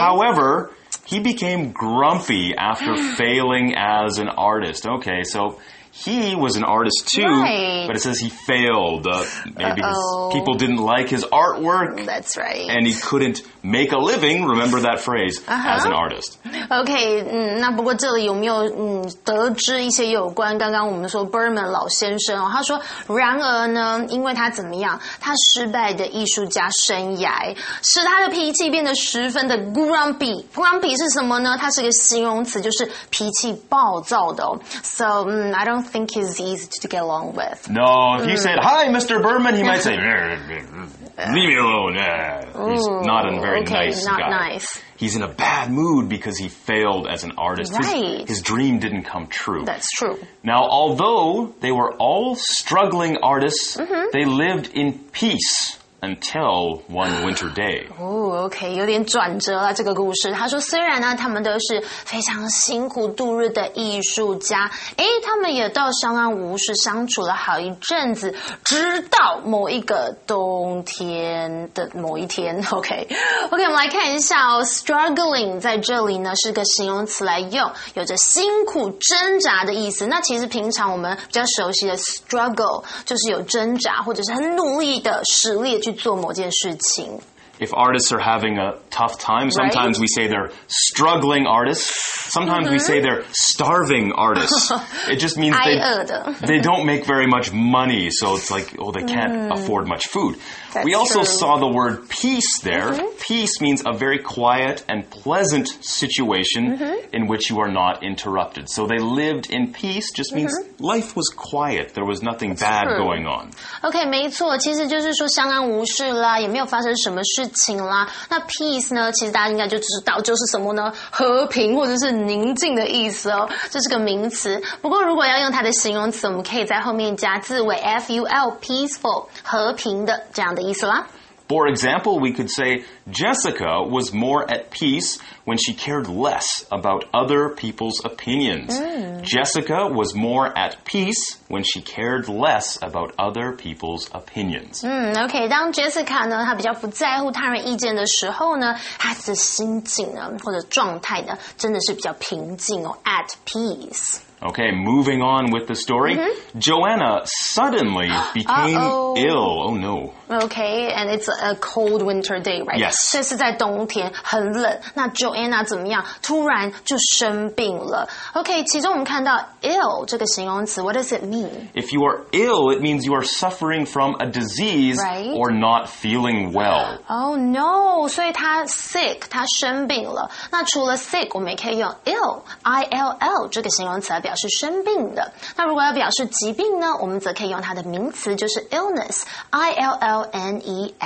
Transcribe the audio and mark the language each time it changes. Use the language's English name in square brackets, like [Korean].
[English] However, he became grumpy after failing as an artist. Okay, so... He was an artist too, right. But it says he failed. Maybe his people didn't like his artwork. That's right. And he couldn't make a living, remember that phrase, as an artist. [Chinese] Okay, 那不过这里有没有得知一些有关刚刚我们说 Berman 老先生哦，他说然而呢，因为他怎么样，他失败的艺术家生涯使他的脾气变得十分的 grumpy. Grumpy 是什么呢？它是个形容词，就是脾气暴躁的哦。 [English] So, I don't think he's easy to get along with. No, if you said, hi, Mr. Berman, he might say, leave me alone. He's not a very nice guy. Okay, not nice. He's in a bad mood because he failed as an artist. Right. His dream didn't come true. That's true. Now, although they were all struggling artists, they lived in peace. Until one winter day. [Chinese] Oh, okay, 有点转折了这个故事。他说虽然呢他们都是非常辛苦度日的艺术家，诶，他们也倒相安无事相处了好一阵子，直到某一个冬天的某一天。 OK, 我们来看一下哦， struggling 在这里呢是个形容词来用，有着辛苦挣扎的意思。那其实平常我们比较熟悉的 struggle 就是有挣扎或者是很努力的实力去做某件事情。 [English] If artists are having a tough time, sometimes we say they're struggling artists. Sometimes we say they're starving artists. It just means they don't make very much money. So it's like, oh, they can't afford much food. That's we also saw the word peace there. Peace means a very quiet and pleasant situation in which you are not interrupted. So they lived in peace just means life was quiet. There was nothing bad going on. [Chinese] Okay, 没错，其实就是说相安无事啦，也没有发生什么事。事情啦，那 peace 呢？其实大家应该就知道，就是什么呢？和平或者是宁静的意思哦，这是个名词。不过如果要用它的形容词，我们可以在后面加字尾 ful， peaceful， 和平的这样的意思啦。 [English] For example, we could say Jessica was more at peace when she cared less about other people's opinions. Jessica was more at peace when she cared less about other people's opinions. [Chinese] Okay, 当 Jessica 呢，她比较不在乎他人意见的时候呢，她的心境呢，或者状态呢，真的是比较平静哦， [English] at peace. Okay, moving on with the story. Joanna suddenly became ill. Oh, no. Okay, and it's a cold winter day, right? Yes. [Chinese] 这是在冬天，很冷。那 Joanna 怎么样？突然就生病了。 Okay, 其中我们看到 ill 这个形容词， [English] what does it mean? If you are ill, it means you are suffering from a disease or not feeling well. Oh, no. [Chinese] 所以她 sick, 她生病了。那除了 sick, 我们也可以用 ill, I-L-L 这个形容词。来表示生病的。那如果要表示疾病呢，我们则可以用它的名词，就是 illness, I-L-L-N-E-S-S.